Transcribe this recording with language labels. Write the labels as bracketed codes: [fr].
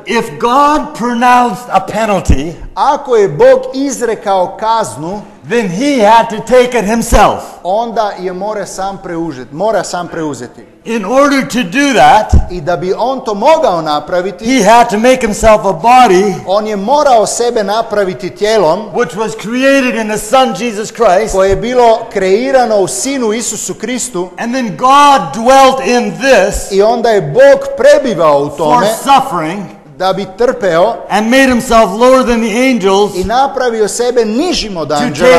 [en] If God pronounced a penalty, [hr] ako je Bog izrekao kaznu, [en] then he had to take it himself. [hr] Onda je mora sam preuzeti. [en] In order to do that, [hr] i da bi on to mogao napraviti, [en] he had to make himself a body, [hr] on je morao sebe napraviti tijelom, [en] which was created in the Son Jesus Christ, [hr] koje je bilo kreirano u Sinu Isusu Kristu, [en] and then God dwelt in this, [hr] i onda je Bog prebivao u tome, [en] for suffering, [hr] da bi trpeo, [en] and made himself lower than the angels, [hr] i napravio sebe nižim od anđela,